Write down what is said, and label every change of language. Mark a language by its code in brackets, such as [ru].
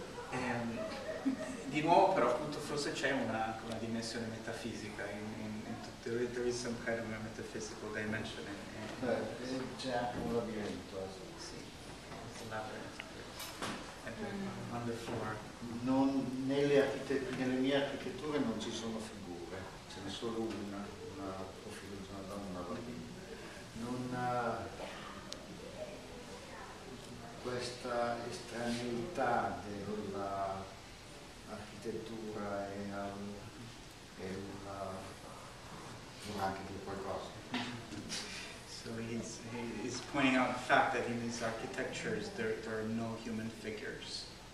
[it] di nuovo, però, appunto, forse c'è una dimensione metafisica in tutto. [en] There is some kind of a metaphysical dimension. [it] C'è anche un labirinto. Sì, un labirinto. [en] On the floor. [it] Non nelle mie architetture non ci sono figure, ce n'è solo una profilo di una donna, una bambina. Questa estraneità dell'architettura è una anche di qualcosa. [en] So he's pointing out the fact that in these architectures there are no human figures.